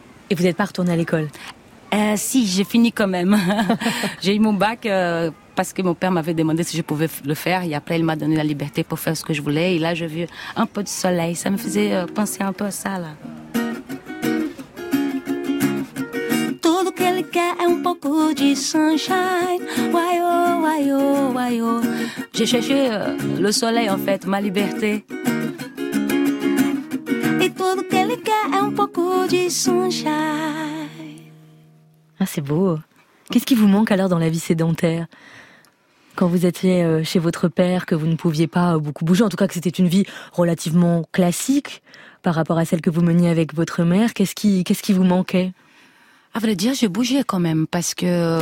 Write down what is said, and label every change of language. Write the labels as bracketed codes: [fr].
[fr] Et vous n'êtes pas retournée à l'école? Si, j'ai fini quand même. J'ai eu mon bac parce que mon père m'avait demandé si je pouvais le faire et après il m'a donné la liberté pour faire ce que je voulais et là j'ai vu un peu de soleil, ça me faisait penser un peu à ça là. [pt] Tudo que ele quer é um pouco de sunshine. [en] Why oh, why oh, why oh. [fr] J'ai cherché le soleil en fait, ma liberté. [pt] E tudo que ele quer é um pouco de sunshine. [fr] Ah, c'est beau. Qu'est-ce qui vous manque alors dans la vie sédentaire? Quand vous étiez chez votre père, que vous ne pouviez pas beaucoup bouger, en tout cas que c'était une vie relativement classique par rapport à celle que vous meniez avec votre mère, qu'est-ce qui vous manquait? À vrai dire, je bougeais quand même parce que...